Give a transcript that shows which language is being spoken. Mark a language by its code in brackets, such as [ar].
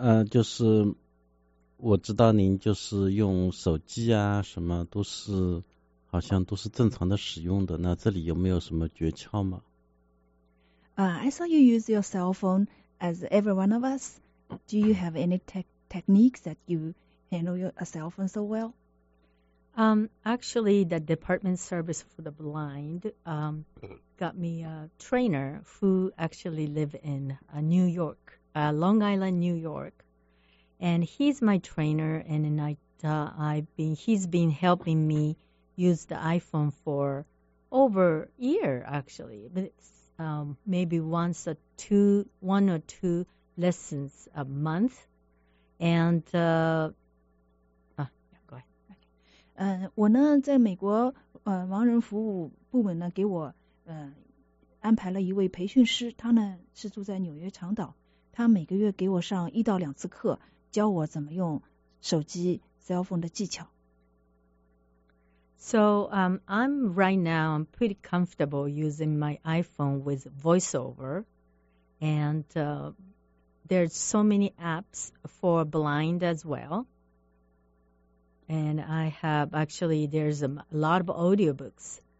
[zh] 就是我知道您就是用手机啊，什么都是好像都是正常的使用的。那这里有没有什么诀窍吗？ [en] I saw you use your cell phone as every one of us. Do you have any techniques that you handle your cell phone so well? Actually, the Department Service for the Blind got me a trainer who actually live in New York, Long Island, New York. And he's my trainer, and he's been helping me use the iPhone for over a year, actually. But it's maybe one or two lessons a month. And, go ahead. Okay. [zh] 我呢在美国盲人服务部门呢给我安排了一位培训师，他呢是住在纽约长岛，他每个月给我上1到2次课，教我怎么用手机 cell phone 的技巧。 [en] So I'm pretty comfortable using my iPhone with VoiceOver, and there's so many apps for blind as well. And I have actually there's a lot of audiobooks.